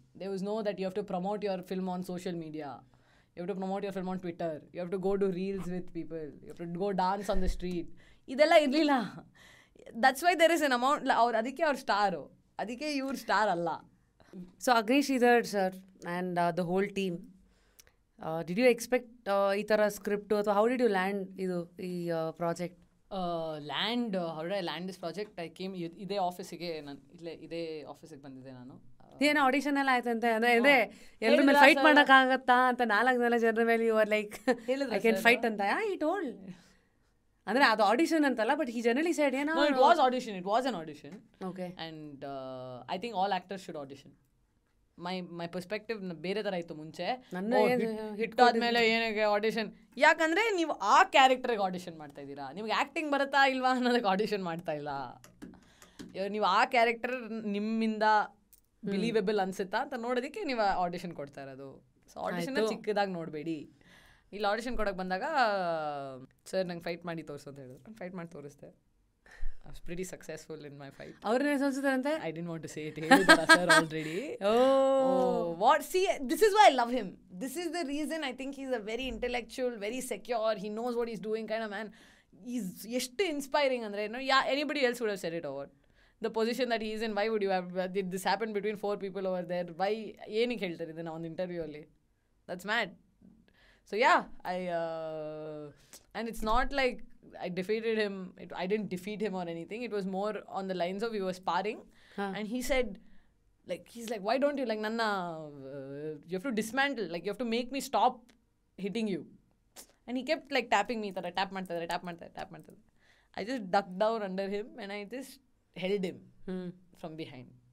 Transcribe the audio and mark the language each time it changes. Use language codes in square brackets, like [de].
[en] There was no that you have to promote your film on social media. You have to promote your film on Twitter. You have to go do reels with people. You have to go dance on the street. [kn] Idella illila. [en] That's why there is an amount. Adike your star alla. So Agnish Idhar sir and the whole team, did you expect [kn] ಈ ತರ script ಅಥವಾ [en] How did you land ಇದು ಈ project? Land how did I land this project? I came [kn] ಇದೇ ಆಫೀಸಿಗೆ, ನಾನು ಇಲ್ಲೇ ಇದೇ ಆಫೀಸಿಗೆ ಬಂದಿದ್ದೆ. ನಾನು ಏನೋ ಆಡಿಷನ್ ಎಲ್ಲ ಆಯ್ತು ಅಂತೆ, ಅಂದ್ರೆ ಇದೇ ಎಲ್ಲರ ಮೇಲೆ ಫೈಟ್ ಮಾಡಕ್ ಆಗತ್ತಾ ಅಂತ ನಾಲ್ಕು ನಾಲ್ಕು ಜನರ ಮೇಲೆ [en] you are like I can fight [kn] ಅಂತ [en] I told. [kn] ಅಂದ್ರೆ ಅದು ಆಡಿಷನ್ ಅಂತಲ್ಲ, [en] but he generally said [kn] ಏನೋ [en] It was audition, it was an audition. Okay. And I think all actors should audition. My perspective [kn] ಬೇರೆ ತರ ಇತ್ತು ಮುಂಚೆ. ನನ್ನ ಹಿಟ್ ಆದ್ಮೇಲೆ ಏನಕ್ಕೆ ಆಡಿಷನ್? ಯಾಕಂದ್ರೆ ನೀವು ಆ ಕ್ಯಾರೆಕ್ಟರ್ಗೆ ಆಡಿಷನ್ ಮಾಡ್ತಾ ಇದ್ದೀರಾ, ನಿಮ್ಗೆ ಆಕ್ಟಿಂಗ್ ಬರುತ್ತಾ ಇಲ್ವಾ ಅನ್ನೋದಕ್ಕೆ ಆಡಿಷನ್ ಮಾಡ್ತಾ ಇಲ್ಲ. ನೀವು ಆ ಕ್ಯಾರೆಕ್ಟರ್ ನಿಮ್ಮಿಂದ ಬಿಲೀವೇಬಲ್ ಅನ್ಸುತ್ತಾ ಅಂತ ನೋಡೋದಕ್ಕೆ ನೀವು ಆಡಿಷನ್ ಕೊಡ್ತಾ ಇರೋದು. ಸೊ ಆಡಿಷನ್ ಚಿಕ್ಕದಾಗಿ ನೋಡಬೇಡಿ. ಇಲ್ಲಿ ಆಡಿಷನ್ ಕೊಡೋಕೆ ಬಂದಾಗ ಸರ್ ನಂಗೆ ಫೈಟ್ ಮಾಡಿ ತೋರಿಸು ಅಂತ ಹೇಳಿದ್ರು. ಫೈಟ್ ಮಾಡಿ ತೋರಿಸ್ತೇವೆ. [en] I was pretty successful in my fight. [kn] ಅವ್ರು ಏನು ಸೋಚಿದಾರಂತೆ? [en] I didn't want to say it. [kn] ಹೇಳಿದ್ರು sir already. [en] Oh, what? See, this is why I love him. This is the reason I think he's a very intellectual, very secure, he knows what he's doing kind of man. He's [kn] ಎಷ್ಟು inspiring ಅಂದರೆ, [en] You know, yeah anybody else would have said it over the position that is in. Why would you have this happen between 4 people over there? Why [kn] ಏನಕ್ಕೆ ಹೇಳ್ತಾರೆ ಇದನ್ನು ಒಂದು ಇಂಟರ್ವ್ಯೂಲ್ಲಿ? [en] That's mad. So yeah, I and it's not like I defeated him. I didn't defeat him or anything. It was more on the lines of we were sparring. Huh. And he said, like, he's like, why don't you, like, Nanna, you have to dismantle. Like, you have to make me stop hitting you. And he kept, like, tapping me. Tap, tap, tap. I just ducked down under him and I just held him from behind.